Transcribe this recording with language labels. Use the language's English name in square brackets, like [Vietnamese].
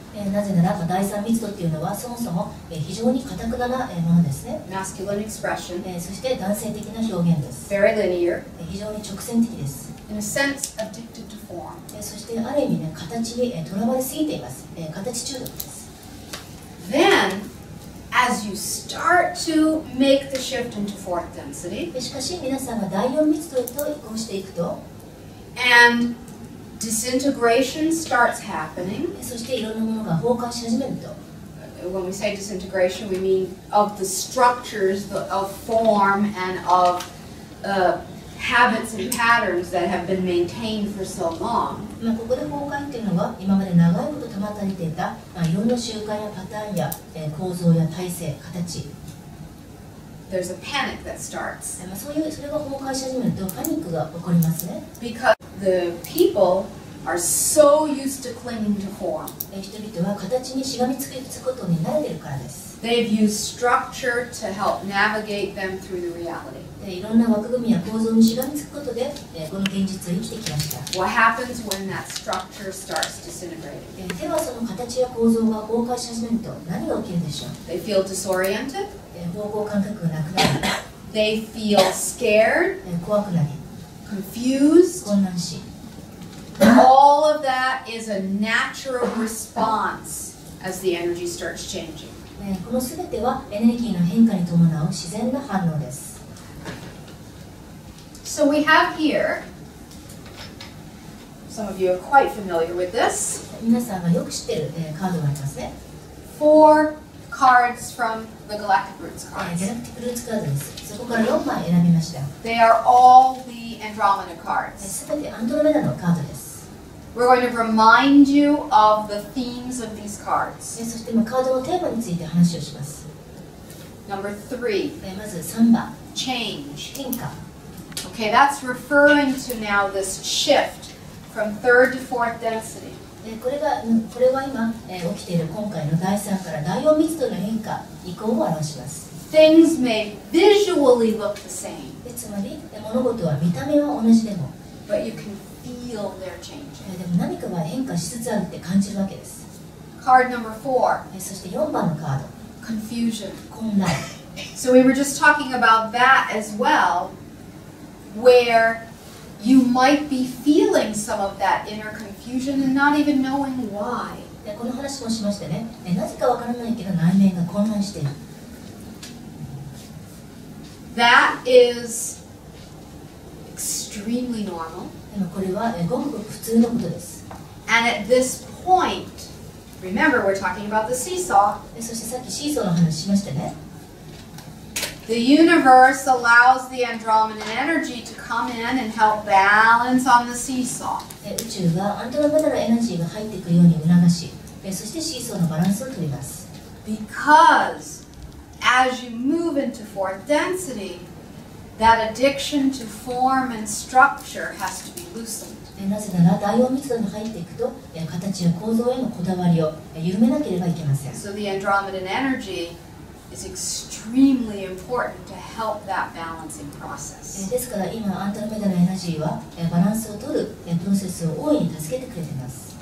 [Japanese] なぜならば第三密度っていうのはそもそも非常に堅くなものですね。 [English] Masculine expression. [Japanese] そして男性的な表現です。 [English] Very linear. [Japanese] 非常に直線的です。 [English] In a sense, addicted to form. [Japanese] そしてある意味ね、形にとらわれすぎています。形中毒です。 [English] Then As you start to make the shift into fourth density, [Japanese] しかし皆さんが第四密度へと移行していくと、 [English] and disintegration starts happening, [Japanese] そしていろんなものが崩壊し始めると、 [English] when we say disintegration, we mean of the structures of form and of habits and patterns that have been maintained for so long. [Japanese] ここで崩壊っていうのは今まで長いこと保たれていた、いろんな習慣やパターンや構造や体制、形。 [English] There's a panic that starts. [Japanese] それが崩壊し始めるとパニックが起こりますね。 [English] Because the people are so used to clinging to form. [Japanese] 人々は形にしがみつくことに慣れているからです。 [English] They've used structure to help navigate them through the reality. [Japanese] いろんな枠組みや構造にしがみつくことで、この現実を生きてきました。 [English] What happens when that structure starts disintegrating? [Japanese] ではその形や構造が崩壊し始めると何が起きるでしょう? [English] They feel disoriented. [Japanese] 方向感覚がなくなる。 [English] They feel scared. [Japanese] 怖くなり。 [English] Confused. [Japanese] 混乱し。 [English] All of that is a natural response as the energy starts changing. [Japanese] このすべてはエネルギーの変化に伴う自然な反応です。 [English] So we have here, some of you are quite familiar with this. [Japanese] 皆さんがよく知っている、カードがありますね。 [English] Four cards from the Galactic Roots cards. [Japanese] Galactic Roots cards です。そこから4枚選びました。 [English] They are all the Andromeda cards. [Japanese] すべてアンドロメダのカードです。 [English] We're going to remind you of the themes of these cards. [Japanese] そして今カードのテーマについて話をします。 [English] Number three. [Japanese] まず3番。 [English] Change. [Japanese] 変化。 [English] Okay, that's referring to now this shift from third to fourth density. [Japanese] これは今起きている今回の第3から第4密度の変化以降を表します。 [English] Things may visually look the same. [Japanese] つまり物事は見た目は同じでも。 [English] But you can feel their change. [Japanese] でも何かが変化しつつあるって感じるわけです。 [English] Card number four. [Japanese] そして4番のカード。 [English] Confusion. [Japanese] 混乱。 [English] So we were just talking about that as well, where you might be feeling some of that inner confusion and not even knowing why. [Japanese] でこの話もしましたね。なぜかわからないけど内面が混乱している。 [English] That is extremely normal. [Japanese] これはごくごく普通のことです。 [English] And at this point, remember we're talking about the seesaw. [Japanese] そしてさっきシーソーの話しましたね。 [English] The universe allows the Andromedan energy to come in and help balance on the seesaw. [Japanese] 宇宙はアンドロメダのエネルギーが入っていくように促し、そしてシーソーのバランスを取ります。 [English] Because as you move into fourth density,That addiction to form and structure has to be loosened. [Japanese] なぜなら第4密度に入っていくと形や構造へのこだわりを緩めなければいけません。 [English] So the Andromedan energy is extremely important to help that balancing process. [Japanese] ですから今アンドロメダのエネルギーはバランスを取るプロセスを大いに助けてくれています。